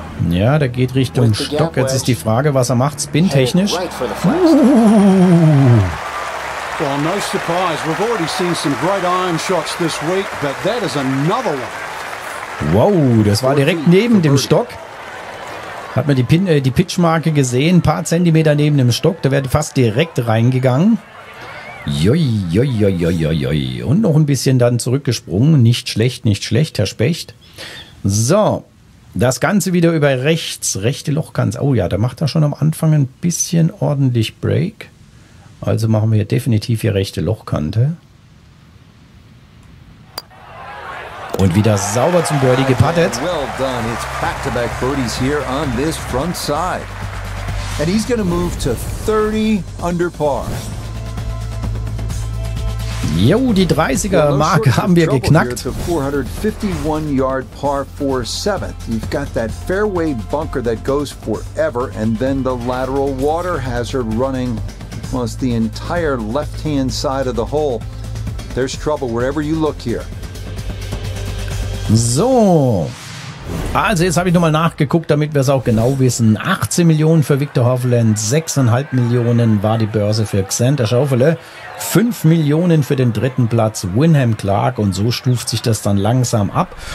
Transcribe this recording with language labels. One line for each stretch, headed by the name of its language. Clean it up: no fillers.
German: Ja, der geht Richtung Stock. Jetzt ist die Frage, was er macht, spin-technisch.
English: Well, no surprise. We've already seen some great iron shots this week, but that is another one.
German: Wow, das war direkt neben dem Stock. Hat man die Pitchmarke gesehen, ein paar Zentimeter neben dem Stock, da wäre fast direkt reingegangen. Joi. Und noch ein bisschen dann zurückgesprungen. Nicht schlecht, nicht schlecht, Herr Specht. So, das Ganze wieder über rechts. Rechte Lochkante. Oh ja, da macht er schon am Anfang ein bisschen ordentlich Break. Also machen wir hier definitiv hier rechte Lochkante. Und wieder sauber zum Birdie gepattet.
English: Well done. It's back-to-back birdies here on this front side. And he's going to move to 30 under par.
German: Jo, die 30er Marke haben wir geknackt.
English: 451-yard par 4 7th. You've got that fairway bunker that goes forever and then the lateral water hazard running almost the entire left-hand side of the hole. There's trouble wherever you look here.
German: So, also jetzt habe ich nochmal nachgeguckt, damit wir es auch genau wissen. 18 Millionen für Victor Hovland, 6,5 Millionen war die Börse für Xander Schaufele, 5 Millionen für den dritten Platz Wyndham Clark und so stuft sich das dann langsam ab.